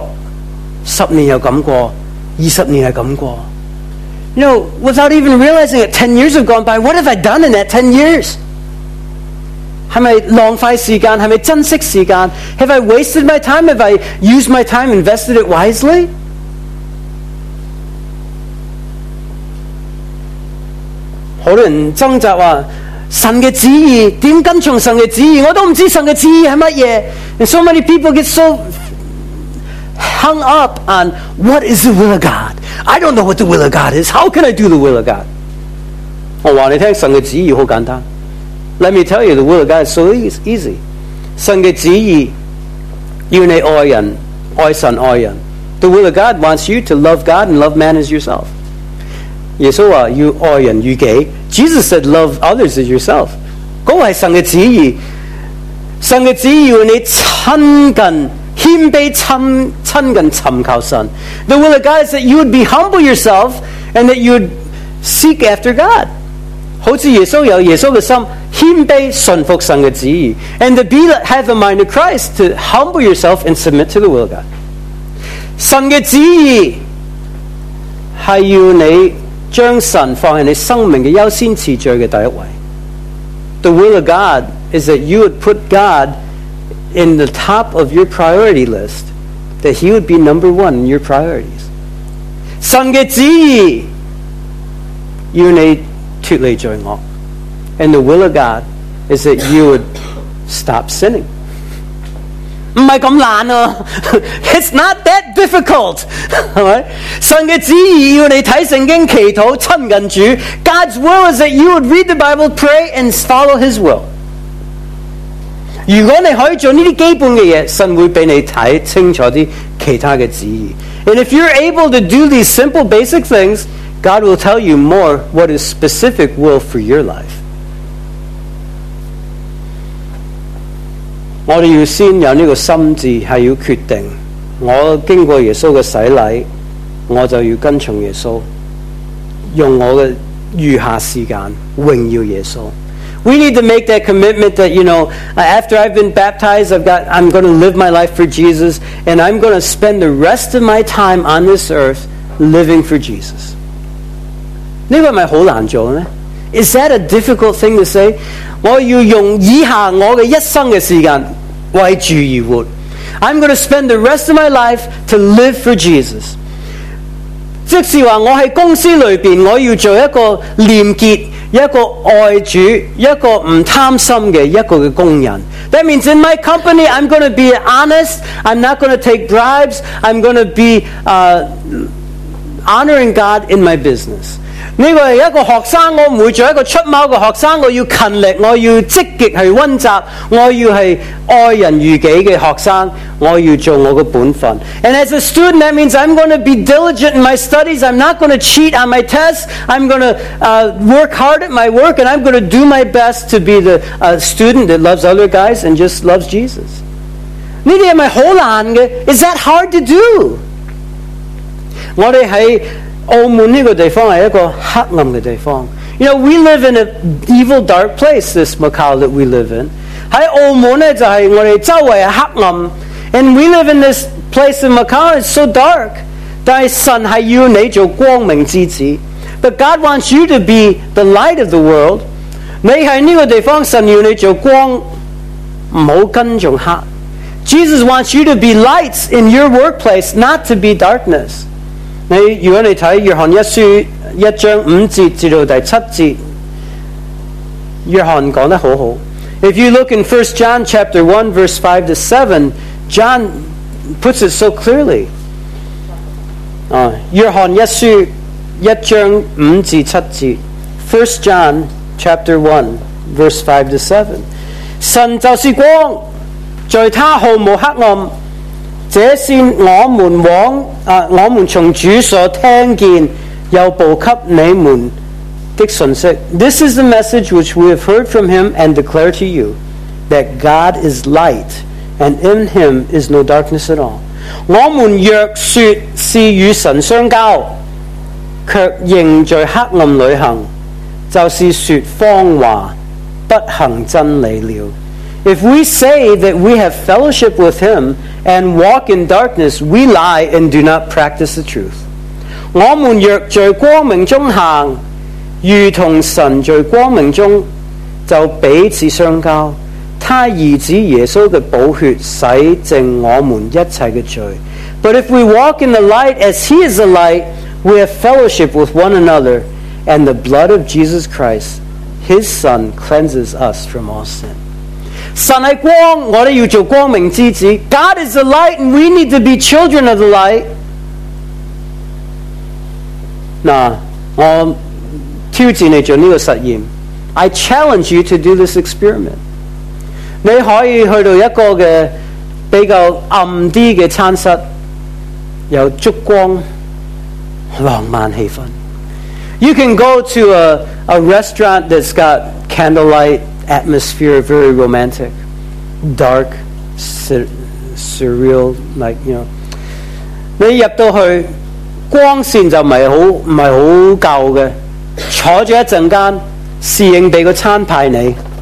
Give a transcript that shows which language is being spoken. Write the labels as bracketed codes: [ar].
[yue] 你做过啲咩事？不知不觉，10年又咁过，20年又咁过。 [en] You know, without even realizing it, 10 years have gone by. What have I done in that 10 years? [yue] 是不是浪费时间？是不是珍惜时间？ [en] Have I wasted my time? Have I used my time, invested it wisely? [yue] 好多人挣扎说，神的旨意，怎么跟从神的旨意？我都不知道神的旨意是什么。 [en] And so many people get so hung up on what is the will of God? I don't know what the will of God is. How can I do the will of God? [yue] 我告诉你，神的旨意很简单。 [en] Let me tell you, the will of God is so easy. [yue] 神的旨意, 要你爱人, 爱神, 爱人。 [en] The will of God wants you to love God and love man as yourself. [yue] 耶稣说, 要爱人如己。 [en] Jesus said, love others as yourself. [yue] 各位神的旨意, 神嘅旨意，你亲近谦卑亲近寻求神。 [en] The will of God is that you would be humble yourself and that you would seek after God. [yue] 好似耶稣有耶稣嘅心，谦卑顺服神嘅旨意。 [en] And to be have the mind of Christ, to humble yourself and submit to the will of God. [yue] 神嘅旨意系要你将神放喺你生命嘅优先次序嘅第一位。 [en] The will of God is that you would put God in the top of your priority list, that He would be number one in your priorities. [yue] 神嘅旨意要你脱离罪恶。 [en] And the will of God is that you would stop sinning. [yue] 不是这么难啊。 [en] It's not that difficult. [yue] 神嘅旨意要你睇圣经祈祷亲近主。 [en] God's will is that you would read the Bible, pray, and follow His will. [yue] 如果你可以做这些基本的事，神会给你看清楚其他的旨意。 [en] And if you're able to do these simple basic things, God will tell you more what is specific will for your life. [yue] 我们要先有这个心智，是要决定我经过耶稣的洗礼，我就要跟从耶稣，用我的余下时间荣耀耶稣。 [en] We need to make that commitment that, you know, after I've been baptized, I'm going to live my life for Jesus, and I'm going to spend the rest of my time on this earth living for Jesus. [yue] 这个是不是很难做呢？ [en] Is that a difficult thing to say? [yue] 我要用以下我的一生的时间为主而活。 [en] I'm going to spend the rest of my life to live for Jesus. [yue] 即是说我在公司里面，我要做一个廉洁，一个爱主，一个不贪心的一个工人。 [en] That means in my company I'm going to be honest, I'm not going to take bribes, I'm going to be honoring God in my business. [yue] 这个是一个学生，我不会做一个出猫的学生，我要勤力，我要积极去温习，我要是爱人如己的学生，我要做我的本分。 [en] And as a student, that means I'm going to be diligent in my studies, I'm not going to cheat on my tests, I'm going to work hard at my work, and I'm going to do my best to be the student that loves other guys and just loves Jesus. [yue] 这些是很难的。 [en] Is that hard to do? [yue] 我们在澳门这个地方是一个黑暗的地方。 [en] You know, we live in an evil dark place, this Macau that we live in. [yue] 在澳门就是我们周围是黑暗。 [en] And we live in this place in Macau, it's so dark. [yue] 但是神是要你做光明之子。 [en] But God wants you to be the light of the world. [yue] 你在这个地方，神要你做光，不要跟从黑。 [en] Jesus wants you to be light in your workplace, not to be darkness. [yue] 你如果你看约翰一书一章五节至到第七节，约翰讲得很好。 [en] If you look in 1 John chapter 1 verse 5 to 7, John puts it so clearly. [yue] 约翰一书一章五至七节， [en] 1 John chapter 1 verse 5 to 7, [yue] 神就是光，在他毫无黑暗。这是我们从主所听见又报给你们的信息。 [en] This is the message which we have heard from him and declare to you, that God is light, and in him is no darkness at all. [yue] 我们若说是与神相交，却仍在黑暗里行，就是说谎话，不行真理了。 [en] If we say that we have fellowship with him and walk in darkness, we lie and do not practice the truth. [yue] 我们若在光明中行，如同神在光明中，就彼此相交。他儿子耶稣的宝血洗净我们一切的罪。 [en] But if we walk in the light as he is the light, we have fellowship with one another, and the blood of Jesus Christ, his son, cleanses us from all sin. [yue] 神是光，我们要做光明之子。 [en] God is the light, and we need to be children of the light. [yue] 那我挑战你做这个实验。 [en] I challenge you to do this experiment. [yue] 你可以去到一个的比较暗一点的餐室，有烛光，浪漫气氛。 [en] You can go to a restaurant that's got candlelight atmosphere, very romantic. dark, surreal, like, you know. [yue] 你入到去，光線就唔係好夠嘅，坐咗一陣間，侍應俾個餐牌你。